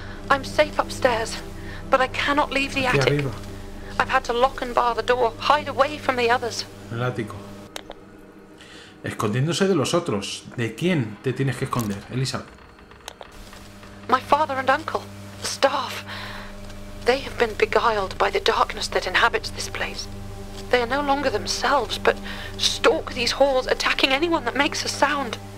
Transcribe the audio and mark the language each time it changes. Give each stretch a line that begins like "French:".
English: I'm safe upstairs, but I cannot leave the
Spanish: aquí
English: attic.
Spanish: Arriba.
English: I've had to lock and bar the door, hide away from the others.
Spanish: El ático. Escondiéndose de los otros. ¿De quién te tienes que esconder, Elizabeth?
English: My father and uncle, the staff. They have been beguiled by the darkness that inhabits this place. They are no longer themselves, but stalk these halls, attacking anyone that makes a sound.